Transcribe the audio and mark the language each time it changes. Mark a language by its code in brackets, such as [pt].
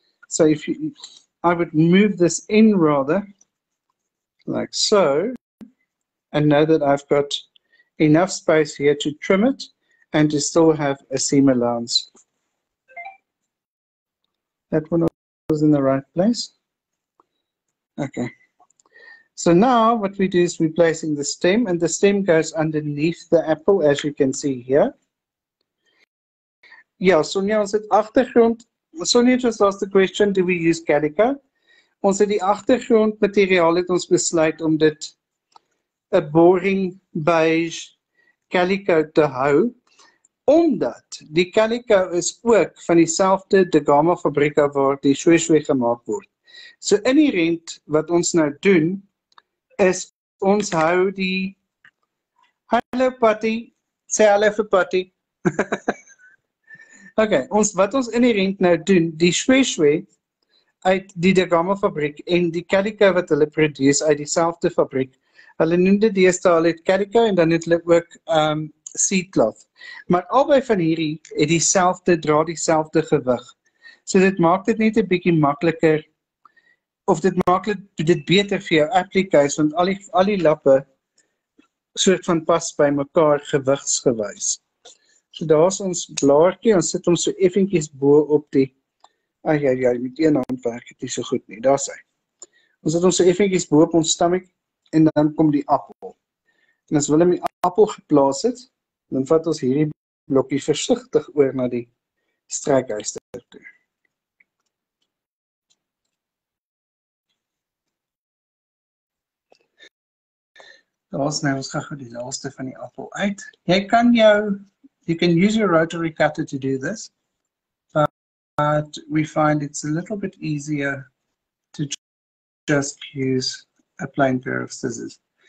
[en] So if you, I would move this in rather like so, and know that I've got enough space here to trim it and to still have a seam allowance. That one was in the right place. Okay. So now what we do is we're placing the stem, and the stem goes underneath the apple, as you can see here. [af] Yeah, Sonia, ons het achtergrond. [en] Sonia just asked the question, do we use calico? [af] Ons het die achtergrond materiaal het ons besluit om dit [en] a boring beige [af] calico te hou. Omdat die calico is ook van dieselfde Degama fabrieke waar die shoeshoe gemaak word. So inherent wat ons nou doen is, ons hou die, hallo Patty, sê hallo vir Patty. Okay, ons, wat ons inherent nou doen, die shoeshoe uit die Degama fabriek en die calico wat hulle produce uit dieselfde fabriek. Hulle noem dit deesdae het calico en dan het hulle ook seedcloth. Maar albei van hierdie het dieselfde, dra dieselfde gewig. So dit maak dit net 'n bietjie makliker, of dit maak dit beter vir jou applikasie, want al die lappe soort van pas by mekaar gewigsgewys. So daar's ons blaartjie, ons sit hom so effentjies bo op die, ag ja, jy met een hand werk dit nie so goed nie. Daar's hy. Ons sit hom so effentjies bo op ons stomach en dan kom die appel. En as Willem die appel geplaas het, dan vat ons hierdie blokkie versigtig oor na die strykhuister toe. Daar's nou, ons gaan gou die laaste van die appel uit. Jy kan jou, [en] you can use your rotary cutter to do this. but we find it's a little bit easier to just use a plain pair of scissors.